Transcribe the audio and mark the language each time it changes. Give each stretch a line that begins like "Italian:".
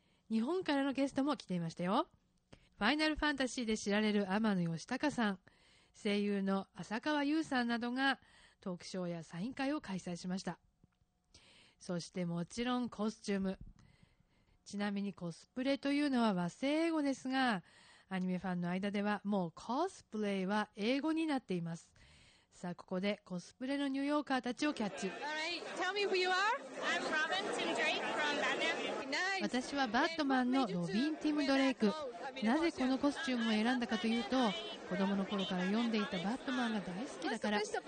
Japanese: 日本からのゲストも来ていましたよ。ファイナルファンタジーで知られる天野義孝さん、声優の浅川優さんなどがトークショーやサイン会を開催しました。そしてもちろんコスチューム。ちなみにコスプレというのは和製英語ですが、アニメファンの間ではもうコスプレは英語になっています。さあここでコスプレのニューヨーカーたちをキャッチ。
English: Alright, tell me who you are. I'm Robin Tim Drake from Batman.
Japanese: 私はバットマンのロビン・ティム・ドレイク。なぜこのコスチュームを選んだかというと、子供の頃から読んでいたバットマンが大好きだから。